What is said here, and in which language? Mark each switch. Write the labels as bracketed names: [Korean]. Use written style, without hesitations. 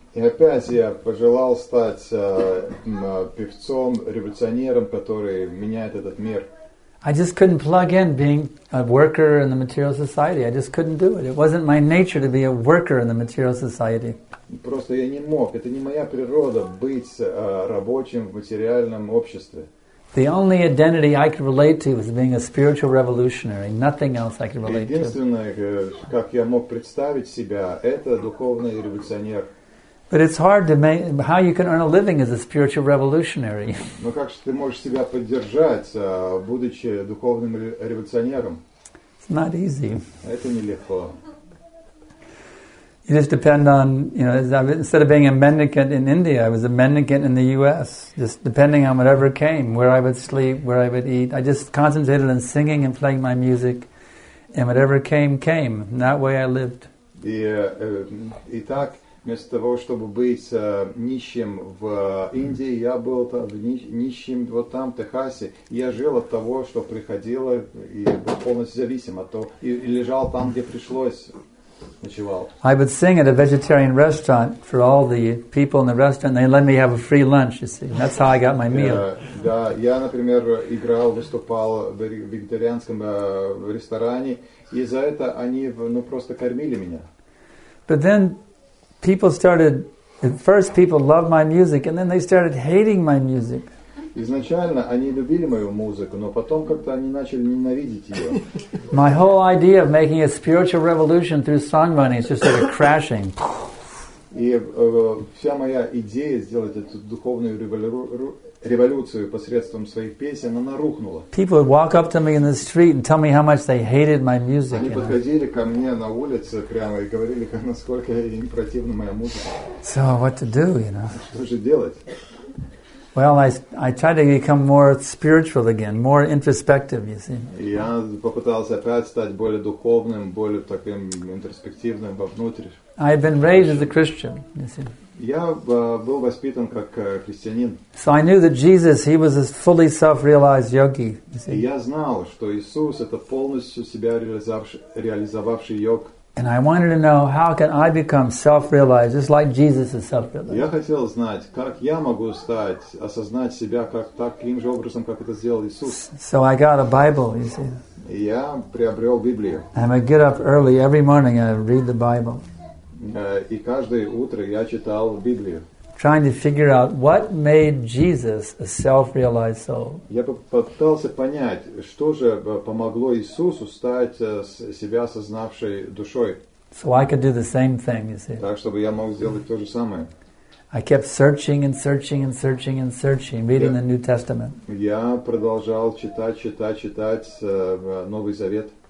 [Russian] И опять я пожелал стать певцом, революционером, который меняет этот мир. [English] I just couldn't plug in being a worker in the material society. I just couldn't do it. It wasn't my nature to be a worker in the material society. [Russian] Просто я не мог. Это не моя природа быть рабочим в материальном обществе. [English] The only identity I could relate to was being a spiritual revolutionary. Nothing else I could relate to. [Russian] Единственное, как я мог представить себя, это духовный революционер. [English] But it's hard to make, how you can earn a living as a spiritual revolutionary. [Russian] Но как же ты можешь себя поддержать, будучи духовным революционером? [English] It's not easy. [Russian] Это нелегко. [English] You just depend on, you know, instead of being a mendicant in India, I was a mendicant in the U.S., just depending on whatever came, where I would sleep, where I would eat. I just concentrated on singing and playing my music, and whatever came. And that way I lived. [Russian] И так, вместо того, чтобы быть нищим в Индии, я был там нищим вот там, в Техасе. Я жил от того, что приходило, и был полностью зависим от того, и лежал там, где пришлось. [English] I would sing at a vegetarian restaurant for all the people in the restaurant, and they let me have a free lunch, you see. And that's how I got my meal. [Russian] Да, я, например, играл, выступал в вегетарианском ресторане, и за это они, ну, просто кормили меня. [English] But then people started, at first people loved my music, and then they started hating my music. [Russian] Изначально они любили мою музыку, но потом как-то они начали ненавидеть ее. [English] My whole idea of making a spiritual revolution through song money is just sort of crashing. [Russian] И вся моя идея сделать эту духовную революцию посредством своих песен, она рухнула. [English] People would walk up to me in the street and tell me how much they hated my music. [Russian] Они подходили ко мне на улице прямо и говорили, насколько им противна моя музыка. [English] So what to do, you know? [Russian] Что же делать? [English] Well, I tried to become more spiritual again, more introspective, you see. [Russian] Я попытался опять стать более духовным, более таким интроспективным вовнутрь. [English] I had been raised as a Christian, you see. [Russian] Я был воспитан как христианин. [English] So I knew that Jesus, he was a fully self-realized yogi, you see. [Russian] Я знал, что Иисус это полностью себя реализовавший йог. [English] And I wanted to know how can I become self-realized, just like Jesus is self-realized. [Russian] Я хотел знать, как я могу стать, осознать себя как таким же образом, как это сделал Иисус. [English] So I got a Bible, you see. [Russian] Я приобрел Библию. [English] And I get up early every morning and I read the Bible. [Russian] И каждое утро я читал Библию. [English] Trying to figure out what made Jesus a self-realized soul. [Russian] Я попытался понять, что же помогло Иисусу стать себя осознавшей душой. [English] So I could do the same thing, you see. [Russian] Так, чтобы я мог сделать то же самое. [English] I kept searching and searching and searching and searching, reading the New Testament. [Russian] Я продолжал читать Новый Завет.